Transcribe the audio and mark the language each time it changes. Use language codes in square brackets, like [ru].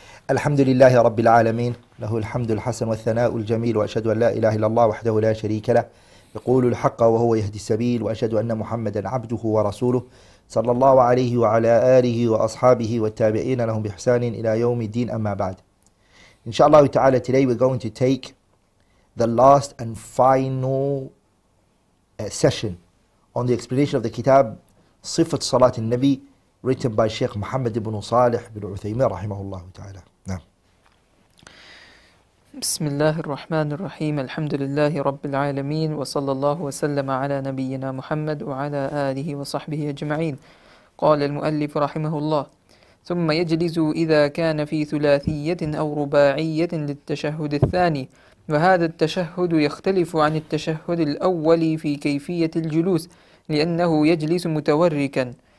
[ar] الحمد لله رب العالمين، له الحمد الحسن والثناء الجميل، وأشهد أن لا إله إلا الله وحده لا شريك له، يقول الحق وهو يهدي السبيل، وأشهد أن محمدا عبده ورسوله، صلى الله عليه وعلى آله وأصحابه والتابعين لهم بإحسان إلى يوم الدين. أما بعد، إن شاء الله تعالى [en] today we're going to take the last and final session on the explanation of the kitab صفة صلاة النبي written by Sheikh Muhammad ibn Salih ibn Uthaymeen rahimahullah ta'ala. [ar] بسم الله الرحمن الرحيم الحمد لله رب العالمين وصلى الله وسلم على نبينا محمد وعلى آله وصحبه أجمعين. قال المؤلف رحمه الله: ثم يجلس إذا كان في ثلاثية أو رباعية للتشهد الثاني، وهذا التشهد يختلف عن التشهد الأول في كيفية الجلوس، لأنه يجلس متوركا.